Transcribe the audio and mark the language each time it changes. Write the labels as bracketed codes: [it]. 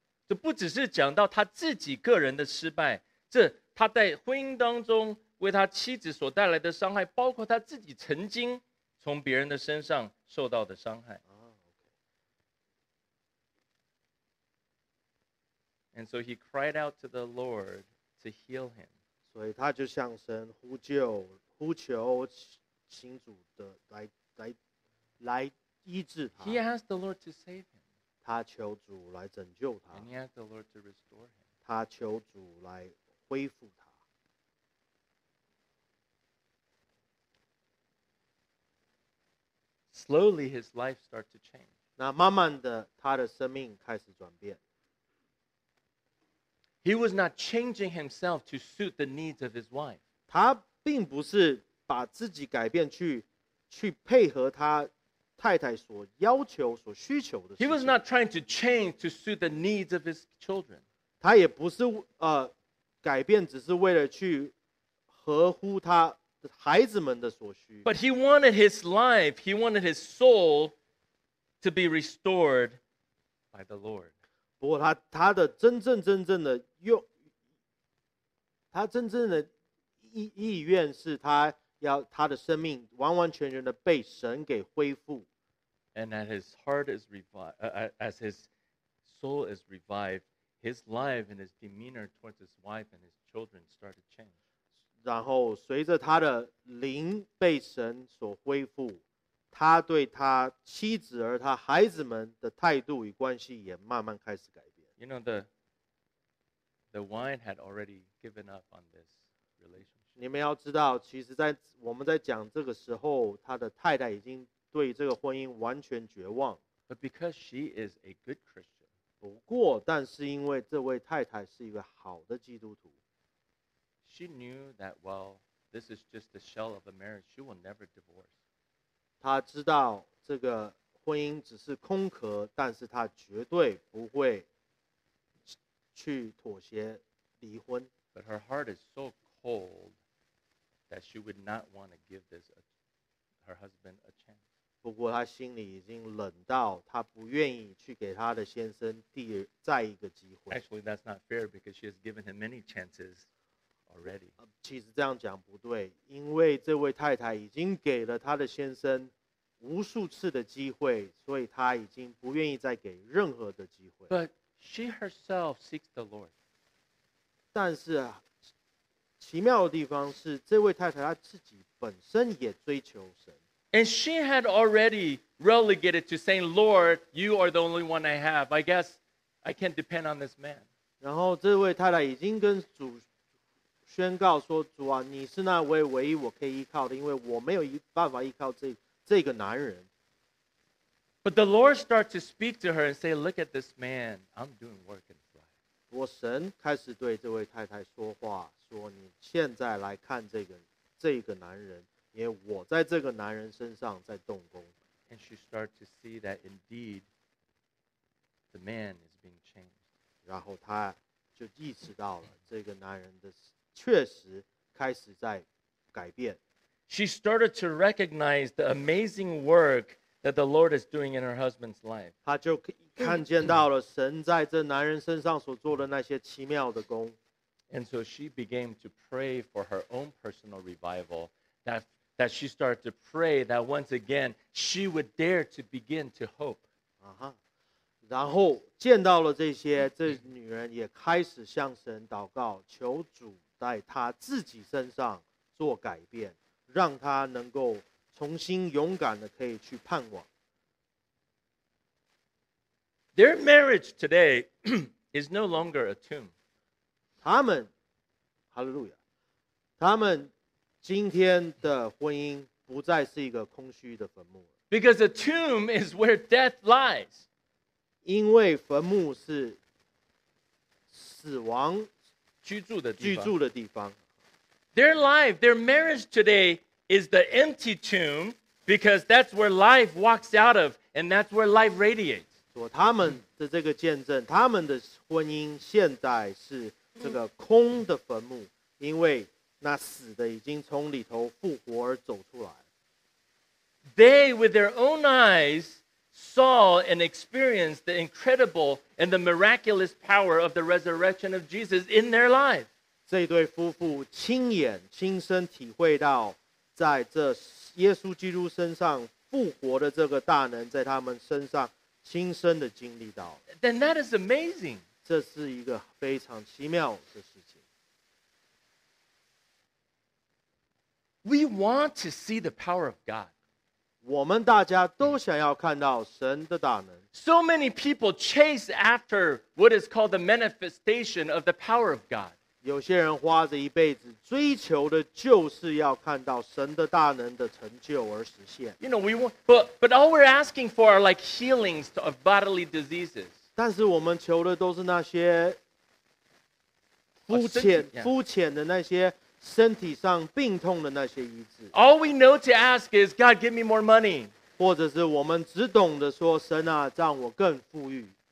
[zh] 这不只是讲到他自己个人的失败，这他在婚姻当中为他妻子所带来的伤害，包括他自己曾经从别人的身上受到的伤害。 [en] And so he cried out to the Lord to heal him. [zh] 所以他就向神呼救，呼求请主的来医治他。 [en] He asked the Lord to save him. [zh] 他求主来拯救他。 [en] And he asked the Lord to restore him. [zh] 他求主来恢复他。 [en] slowly his life started to change. [zh] 那慢慢的他的生命开始转变。 [en] He was not changing himself to suit the needs of his wife. [zh] 他并不是把自己改变去配合他太太所要求所需求的事情。 [en] He was not trying to change to suit the needs of his children. [zh] 他也不是改变只是为了去合乎他孩子们的所需。 [en] But he wanted his life, he wanted his soul to be restored by the Lord. [zh] 不过他的真正的意愿是他要他的生命完完全全的被神给恢复。 [en] And as his heart is as his soul is revived, his life and his demeanor towards his wife and his children started to change. [zh] 然后随着他的灵被神所恢复，他对他妻子而他孩子们的态度与关系也慢慢开始改变。 [en] You know, the wine had already given up on this relationship. [zh] 你们要知道，其实在我们在讲这个时候，他的太太已经对这个婚姻完全绝望。 [en] But because she is a good Christian. [zh] 不过，但是因为这位太太是一个好的基督徒。 [en] She knew that, well, this is just the shell of a marriage. She will never divorce. [zh] 她知道这个婚姻只是空壳，但是她绝对不会去妥协离婚。 [en] But her heart is so cold that she would not want to give this her husband a chance. [zh] 不过她心里已经冷到她不愿意去给她的先生再一个机会。 [en] Actually, that's not fair because she has given him many chances. Already. [zh] 其实这样讲不对，因为这位太太已经给了她的先生无数次的机会，所以她已经不愿意再给任何的机会。 [en] But she herself seeks the Lord. [zh] 但是啊，奇妙的地方是，这位太太她自己本身也追求神。 [en] And she had already relegated to saying, "Lord, you are the only one I have. I guess I can't depend on this man." [zh] 然后这位太太已经跟主宣告说：“主啊，你是那位唯一我可以依靠的，因为我没有办法依靠这个男人。” [en] But the Lord starts to speak to her and say, "Look at this man. I'm doing work in his life." [zh] 我神开始对这位太太说话，说：“你现在来看这个男人，因为我在这个男人身上在动工。” [en] And she starts to see that indeed, the man is being changed. [zh] 然后她就意识到了这个男人的。确实开始在改变。 [en] She started to recognize the amazing work that the Lord is doing in her husband's life. [zh] 她就看见到了神在这男人身上所做的那些奇妙的工。 [en] And so she began to pray for her own personal revival. That she started to pray that once again she would dare to begin to hope. 啊哈。 [zh] 然后见到了这些，这女人也开始向神祷告，求主。在他自己身上做改变，让他能够重新勇敢的可以去盼望。 [en] Their marriage today is no longer a tomb. [zh] 他们 ，Hallelujah， 他们今天的婚姻不再是一个空虚的坟墓。 [en] Because a tomb is where death lies. [zh] 因为坟墓是死亡。居住的地方 [en] Their life, their marriage today is the empty tomb because that's where life walks out of and that's where life radiates. [zh] 所以他们的这个见证，他们的婚姻现在是这个空的坟墓，因为那死的已经从里头复活而走出来。 [en] They, with their own eyes, saw and experienced the incredible and the miraculous power of the resurrection of Jesus in their life. [zh] 这对夫妇亲眼亲身体会到在这耶稣基督身上复活的这个大能在他们身上亲身的经历到。 [en] Then that is amazing. [zh] 这是一个非常奇妙的事情。 [en] We want to see the power of God. [zh] 我们大家都想要看到神的大能。 [en] So many people chase after what is called the manifestation of the power of God. [zh] 有些人花着一辈子追求的就是要看到神的大能的成就而实现。 [en] You know, we want, but all we're asking for are like healings of bodily diseases. [zh] 但是我们求的都是那些肤浅的那些身体上病痛的那些医治。 [en] All we know to ask is, God, give me more money. [zh] 或者是我们只懂得说，神啊，让我更富裕。